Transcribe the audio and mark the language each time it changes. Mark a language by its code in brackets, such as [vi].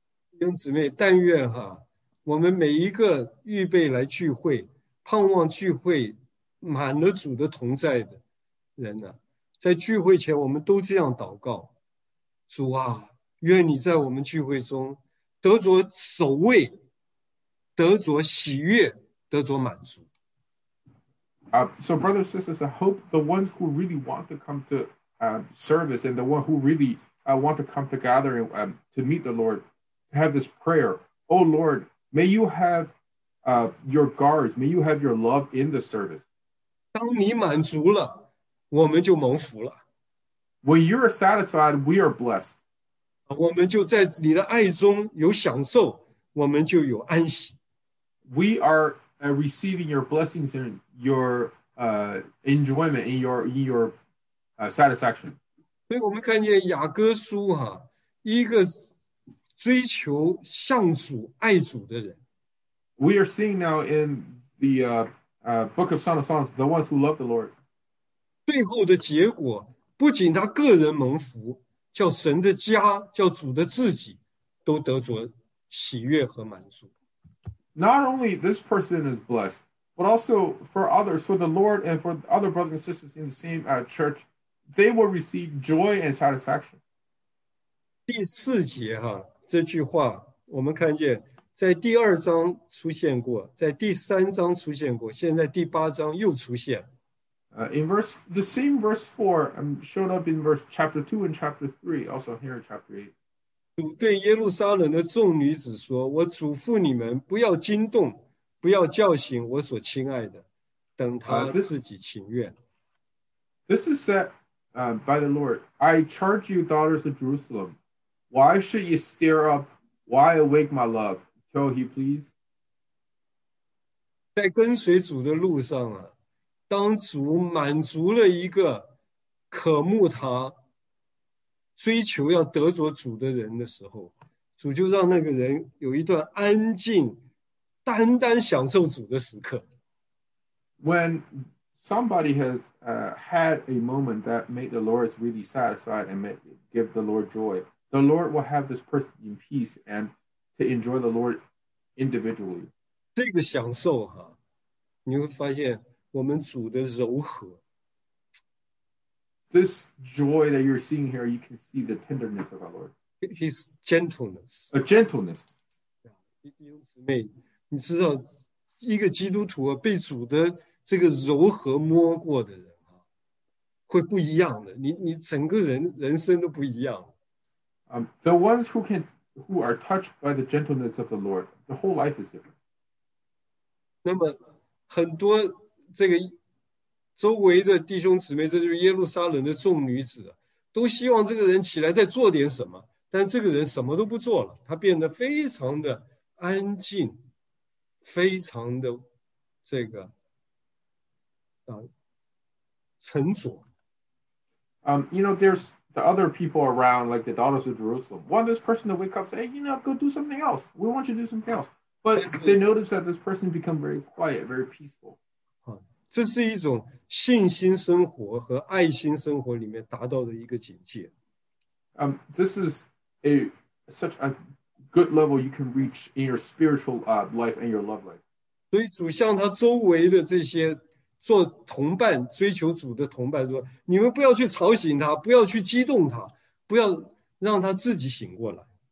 [zh] 弟兄姊妹，但愿哈，我们每一个预备来聚会，盼望聚会满了主的同在的人啊，在聚会前我们都这样祷告，主啊，愿你在我们聚会中得着首位，得着喜悦，得着满足。 [en] So brothers and sisters, I hope the ones who really want to come to service and the one who really want to come to gathering to meet the Lord have this prayer. Oh Lord, may you have your guards, may you have your love in the service. [zh] 当你满足了，我们就蒙福了。 [en] When you are satisfied, we are blessed. [zh] 我们就在你的爱中有享受，我们就有安息。 [en] We are receiving your blessings and your enjoyment and your satisfaction. [zh] 所以我们看见雅各书哈，一个追求向主、爱主的人。 [en] We are seeing now in the book of Song of Songs, the ones who love the Lord. [zh] 最后的结果，不仅他个人蒙福，叫神的家，叫主的自己，都得着喜悦和满足。 [en] Not only this person is blessed, but also for others, for the Lord and for other brothers and sisters in the same church, they will receive joy and satisfaction. [zh] 第四节哈，这句话我们看见在第二章出现过，在第三章出现过，现在第八章又出现。 [en] In verse, the same verse 4 showed up in verse chapter 2 and chapter 3, also here in chapter 8. [zh] 主对耶路撒冷的众女子说，我嘱咐你们不要惊动，不要叫醒我所亲爱的，等他自己情愿。 [en] This is said by the Lord, I charge you daughters of Jerusalem, why should you stir up, why awake my love? Please. [zh] 在跟随主的路上啊，当主满足了一个渴慕他、追求要得着主的人的时候，主就让那个人有一段安静、单单享受主的时刻。 [en] When somebody has had a moment that made the Lord really satisfied and give the Lord joy, the Lord will have this person in peace and to enjoy the Lord. Individually. [zh] 这个享受哈，你会发现我们主的柔和。 [en] This joy that you're seeing here, you can see the tenderness of our Lord. His gentleness. A gentleness. [zh] 弟兄姊妹，你知道一个基督徒被主的这个柔和摸过的人啊，会不一样的。你整个人生都不一样。 [en] The ones who can. Who are touched by the gentleness of the Lord, the whole life is different. [zh] 那么很多这个周围的弟兄姊妹，这就是耶路撒冷的众女子，都希望这个人起来再做点什么，但这个人什么都不做了，他变得非常的安静，非常的这个沉着。 [en] You know, there's the other people around, like the daughters of Jerusalem. One, this person that wake up say, hey, you know, go do something else. We want you to do something else. But they notice that this person become very quiet, very peaceful. [zh] 这是一种信心生活和爱心生活里面达到的一个境界。 [en] This is such a good level you can reach in your spiritual life and your love life. [zh] 所以主向他周围的这些做同伴追求主的同伴说，你们不要去吵醒他，不要去激动他，不要让他自己醒过来。